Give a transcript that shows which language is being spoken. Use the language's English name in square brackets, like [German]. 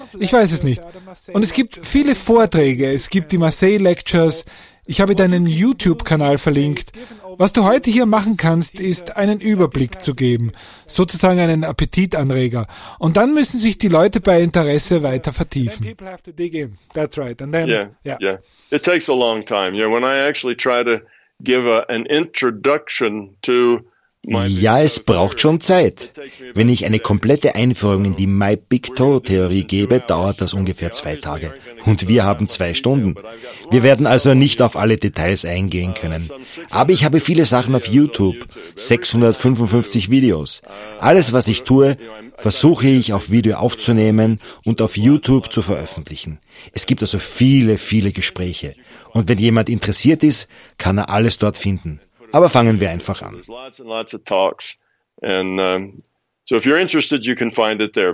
[German] Ich weiß es nicht. Und es gibt viele Vorträge. Es gibt die Marseille Lectures. Ich habe deinen YouTube-Kanal verlinkt. Was du heute hier machen kannst, ist, einen Überblick zu geben. Sozusagen einen Appetitanreger. Und dann müssen sich die Leute bei Interesse weiter vertiefen. [English] That's right. And then, yeah. It takes a long time. Yeah, when I actually try to give an introduction to [German] ja, es braucht schon Zeit. Wenn ich eine komplette Einführung in die My Big Toe-Theorie gebe, dauert das ungefähr 2 Tage. Und wir haben 2 Stunden. Wir werden also nicht auf alle Details eingehen können. Aber ich habe viele Sachen auf YouTube, 655 Videos. Alles, was ich tue, versuche ich auf Video aufzunehmen und auf YouTube zu veröffentlichen. Es gibt also viele, viele Gespräche. Und wenn jemand interessiert ist, kann er alles dort finden. Aber fangen wir einfach an. [English] Lots and lots of talks. And so if you're interested, you can find it there.